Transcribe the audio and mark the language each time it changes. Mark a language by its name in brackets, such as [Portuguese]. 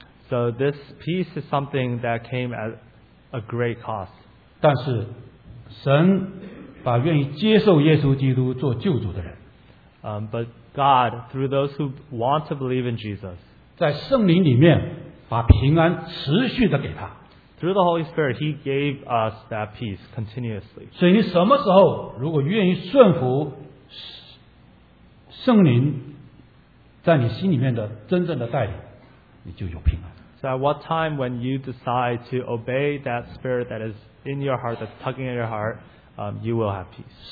[English] So this peace is something that came at a great cost. [Chinese] 但是神把愿意接受耶稣基督做救主的人, [English] but God, through those who want to believe in Jesus, [Chinese] 在圣灵里面把平安持续地给他, [English] through the Holy Spirit, He gave us that peace continuously. [Chinese] 所以你什么时候如果愿意顺服圣灵在你心里面的真正的带领, 你就有平安。 [English] So at what time when you decide to obey that spirit that is in your heart, that's tugging at your heart, you will have peace.